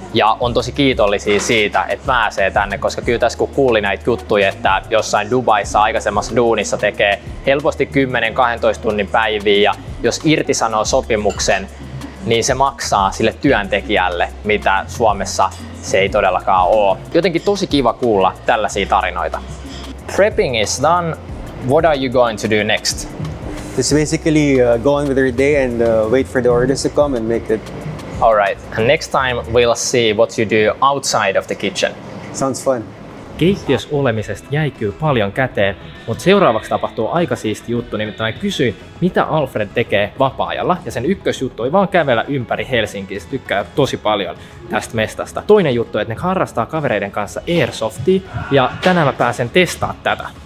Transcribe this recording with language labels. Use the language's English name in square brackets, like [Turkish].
[Finnish] Ja on tosi kiitollisia siitä, että pääsee tänne, koska kyllä tässä kun kuulin näitä juttuja, että jossain Dubaissa aikaisemmassa duunissa tekee helposti 10-12 tunnin päiviä, ja jos irtisanoo sopimuksen, niin se maksaa sille työntekijälle, mitä Suomessa se ei todellakaan ole. Jotenkin tosi kiva kuulla tällaisia tarinoita. [English] Prepping is done. What are you going to do next? It's basically go on with your day and wait for the orders to come and make it. All right, and next time we'll see what you do outside of the kitchen. Sounds fun. [Finnish] Keittiössä olemisesta jäi kyllä paljon käteen, mutta seuraavaksi tapahtuu aika siisti juttu, nimittäin kysyin, mitä Alfred tekee vapaa-ajalla, ja sen ykkösjuttu oli vaan kävellä ympäri Helsinkiä, se tykkää tosi paljon tästä mestasta. Toinen juttu, että ne harrastaa kavereiden kanssa airsoftia, ja tänään mä pääsen testaa tätä.